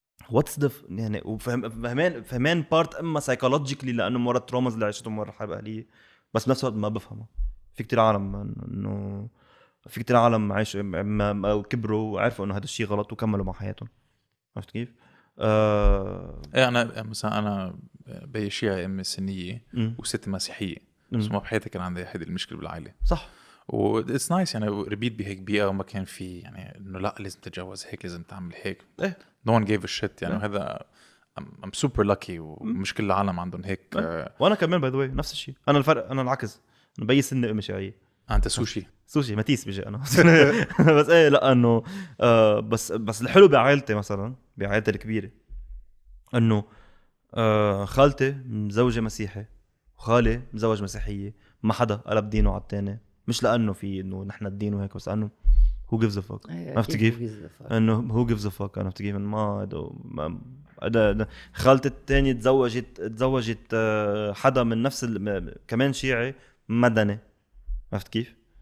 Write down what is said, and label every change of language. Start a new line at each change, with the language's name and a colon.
English: what's the
Arabic: يعني فهمان بارت اما سايكولوجيكلي لانه مرة تروماز اللي عشته مرة حرب اهليه بس بنفس الوقت ما بفهمها في كتير عالم انه في كتير عالم عايش كبروا وعرفوا انه هذا الشيء غلط وكملوا مع حياتهم عرفت كيف؟ ايه انا مثلا انا بي شيعي امي سنيه وستي مسيحيه بس ما بحياتي كان عندي احد المشكله بالعائله صح و
English: it's nice
Arabic: يعني ربيت بهيك بيئة وما كان في يعني إنه لا لازم تتجوز هيك لازم تعمل هيك إيه
English: no one gave a shit
Arabic: يعني هذا
English: I'm super lucky
Arabic: ومش كل العالم عندهم هيك وأنا كمان
English: by the way
Arabic: نفس الشيء أنا الفرق أنا العكس أنا بيس إني أمي شيعية أنت سوشي سوشي ماتيس بيجي أنا بس إيه لا إنه بس الحلو بعائلتي مثلا بعائلتي الكبيرة إنه خالتي مزوجة مسيحية وخالي مزوج مسيحية ما حدا قلب دينه على التاني مش لانه في انه نحن الدين وهيك بس انه هو
English: جيفز ا فوك
Arabic: ما عرفت كيف انه هو جيفز ا فوك انا عرفت كيف ما هذا خالتي الثانيه تزوجت حدا من نفس كمان شيعي مدني عرفت كيف